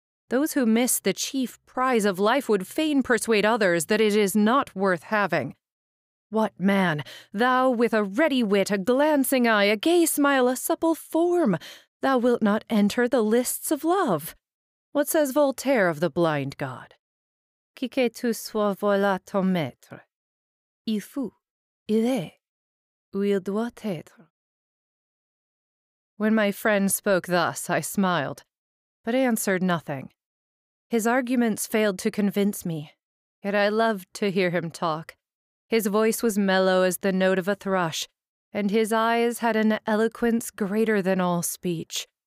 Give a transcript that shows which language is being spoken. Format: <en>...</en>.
<en>Those who miss the chief prize of life would fain persuade others that it is not worth having. What man, thou with a ready wit, a glancing eye, a gay smile, a supple form, thou wilt not enter the lists of love? What says Voltaire of the blind god?</en> <fr>Qui que tu sois, voilà ton maître. Il faut, il est, ou il doit être.</fr> <en>When my friend spoke thus, I smiled, but answered nothing. His arguments failed to convince me, yet I loved to hear him talk. His voice was mellow as the note of a thrush, and his eyes had an eloquence greater than all speech.</en>